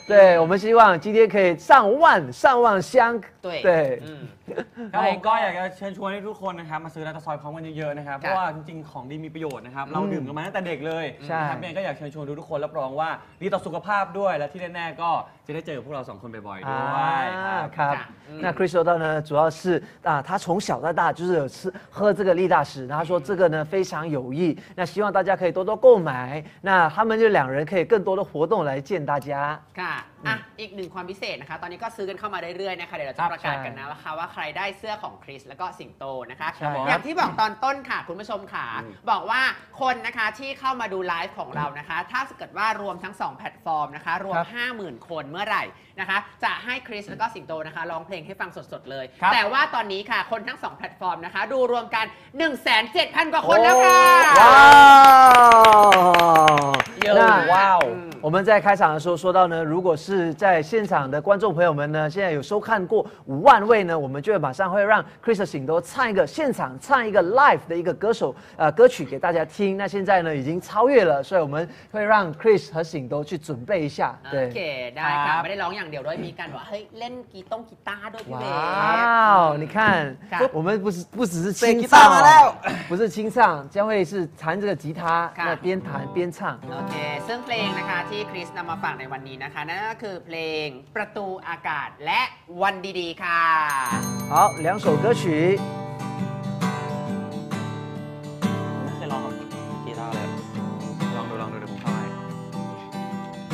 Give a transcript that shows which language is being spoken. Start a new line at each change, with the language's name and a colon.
Chinese: 对，我们希望今天可以上万上万箱。对。
Thai: ครับผมก็อยากจะเชิญชวนให้ทุกคนนะครับมาซื้อลาตาซอยพร้อมกันเยอะๆนะครับเพราะว่าจริงๆของดีมีประโยชน์นะครับเราดื่มกันมาตั้งแต่เด็กเลย ใช่ ครับแม่ก็อยากเชิญชวนทุกคนรับรองว่าดีต่อสุขภาพด้วยและที่แน่ๆก็จะได้เจอกับพวกเราสองคนบ่อยๆด้วย
Chinese: ครับ那 Crystal 呢主要是啊他从小到大就是有吃喝这个力大使他说这个呢非常有益那希望大家可以多多购买那他们就两人可以更多的活动来见大家
Thai: ค่ะอ่ะอีกหนึ่งความพิเศษนะคะตอนนี้ก็ซื้อกันเข้ามาเรื่อยๆนะคะเดี๋ยวเราจะประกาศกันนะว่าใครได้เสื้อของคริสแล้วก็สิงโตนะคะอย่างที่บอกตอนต้นค่ะคุณผู้ชมค่ะบอกว่าคนนะคะที่เข้ามาดูไลฟ์ของเรานะคะถ้าเกิดว่ารวมทั้ง2แพลตฟอร์มนะคะรวม 50,000 คนเมื่อไหร่นะคะจะให้คริสแล้วก็สิงโตนะคะร้องเพลงให้ฟังสดๆเลยแต่ว่าตอนนี้ค่ะคนทั้ง2แพลตฟอร์มนะคะดูรวมกัน 170,000 กว่าคนแล้วค่ะ ว้าว เยอะว้าว
Chinese: 我们在开场的时候说到呢，如果是在现场的观众朋友们呢，现在有收看过50,000位呢，我们就会马上会让 Chris 醒多唱一个现场唱一个 live 的一个歌手歌曲给大家听。那现在呢已经超越了，所以我们会让 Chris 和醒多去准备一下。
English: OK，
Chinese: 对，
Thai: ได้ค่ะ，ไม่ได้ร้องอย่างเดียวด้วย，มีการว่าเฮ้ยเล่นกีต้องกีตาร์ด้วยพี่
Chinese: เบ๊ก。哇，你看，我们不只是清唱，不是清唱，将会是弹这个吉他，那边弹边唱。
Thai: OK， ซึ่งเพลงนะคะที่คริสนำมาฝากในวันนี้นะคะนั่นก็คือเพลงประตูอากาศและวันดีๆค่ะ
Chinese: 好两首歌曲
Thai: ไม่เคยลองกีตาร์เลย ลองดูผมทำให